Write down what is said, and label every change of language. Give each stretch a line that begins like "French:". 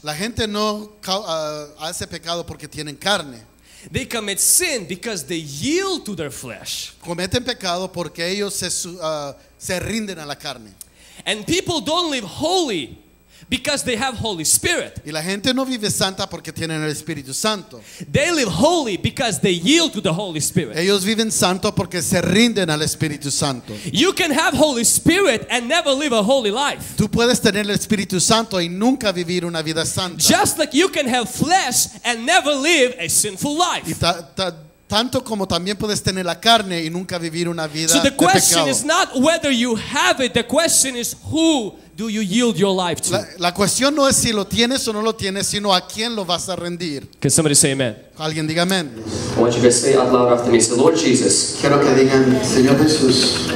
Spanish: La gente no hace pecado porque tienen carne.
English: They commit sin because they yield to their flesh.
Spanish: Cometen pecado porque ellos se rinden a la carne.
English: And people don't live holy because they have Holy Spirit.
Spanish: Y la gente no vive santa porque tienen el Espíritu Santo.
English: They live holy because they yield to the Holy Spirit.
Spanish: Ellos viven santo porque se rinden al Espíritu Santo.
English: You can have Holy Spirit and never live a holy life.
Spanish: Tú puedes tener el Espíritu Santo y nunca vivir una vida santa.
English: Just like you can have flesh and never live a sinful life.
Spanish: Tanto como también puedes tener la carne y nunca vivir una vida de pecado.
English: So the question is not whether you have it. The question is who do you yield your life to?
Spanish: La cuestión no es si lo tienes o no lo tienes, sino a quién lo vas a rendir.
English: Can somebody say amen?
Spanish: Alguien diga amen.
English: I want you to say out loud after me, say, Lord Jesus.
Spanish: Quiero que digan, Señor Jesús.